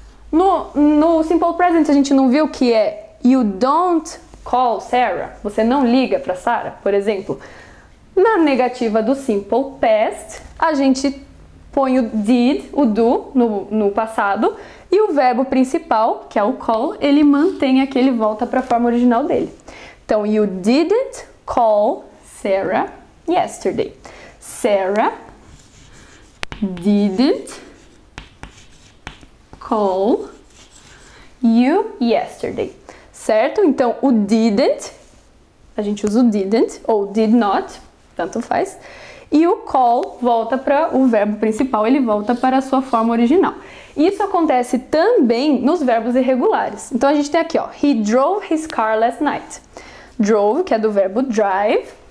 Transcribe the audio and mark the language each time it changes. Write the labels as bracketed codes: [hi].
[pt] No simple present, a gente não viu que é [en] you don't call Sarah. [pt] Você não liga para Sarah, por exemplo. Na negativa do simple past, a gente põe o did, o do, no passado. E o verbo principal, que é o call, ele mantém aquele volta para a forma original dele. Então, [en] you didn't call Sarah yesterday. Sarah didn't call you yesterday. [pt] Certo? Então, o didn't, a gente usa o didn't ou did not, tanto faz. E o call volta para o verbo principal, ele volta para a sua forma original. Isso acontece também nos verbos irregulares. Então, a gente tem aqui, ó, [en] he drove his car last night. [pt] Drove, que é do verbo drive.